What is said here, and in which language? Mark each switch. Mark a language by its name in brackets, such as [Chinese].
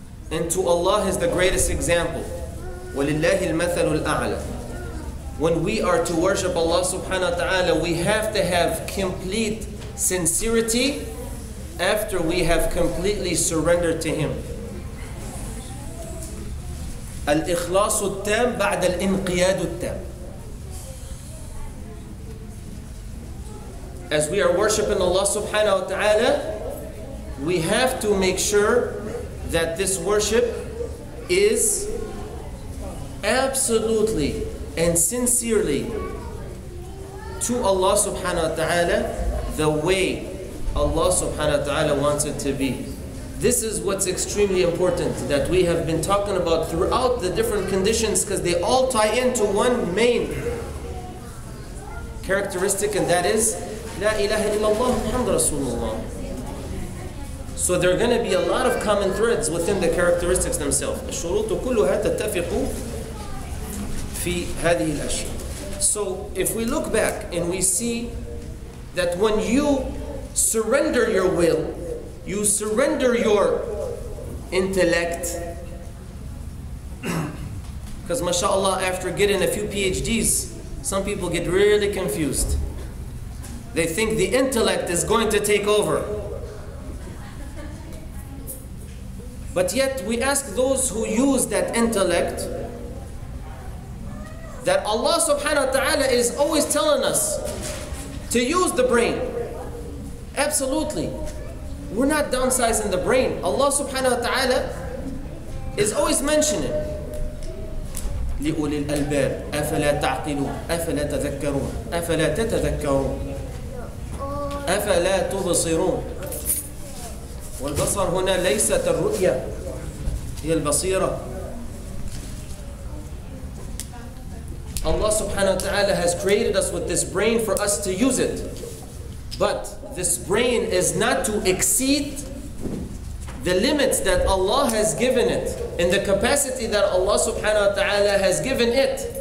[English] And to Allah is the greatest example. [Arabic] وَلِلَّهِ الْمَثَلُ الْأَعْلَى. [English] When we are to worship Allah subhanahu wa ta'ala, we have to have complete sincerity after we have completely surrendered to Him. [Arabic] الإخلاص التام بعد الإنقياد التام. [English] As we are worshiping Allah subhanahu wa ta'ala, we have to make sure that this worship is absolutely and sincerely to Allah subhanahu wa ta'ala the way Allah subhanahu wa ta'ala wants it to be. This is what's extremely important that we have been talking about throughout the different conditions, because they all tie into one main characteristic, and that is La ilaha illallah Muhammad Rasulullah. So there are going to be a lot of common threads within the characteristics themselves. [Arabic] الشروط كلها تتفق في هذه الأشياء. [English] So if we look back and we see that when you surrender your will, you surrender your intellect, because mashallah, after getting a few PhDs, some people get really confused. They think the intellect is going to take over. But yet we ask those who use that intellect that Allah subhanahu wa ta'ala is always telling us to use the brain. Absolutely. We're not downsizing the brain. Allah subhanahu wa ta'ala is always mentioning [Arabic] لِأُولِي الْأَلْبَابِ أَفَلَا تَعْقِلُونَ أَفَلَا تَذَكَّرُونَ أَفَلَا تَتَذَكَّرُونَ أَفَلَا تُبْصِرُونَ. والبصر هنا ليست الرؤية, هي البصيرة. [English] Allah subhanahu wa ta'ala has created us with this brain for us to use it. But this brain is not to exceed the limits that Allah has given it in the capacity that Allah subhanahu wa ta'ala has given it.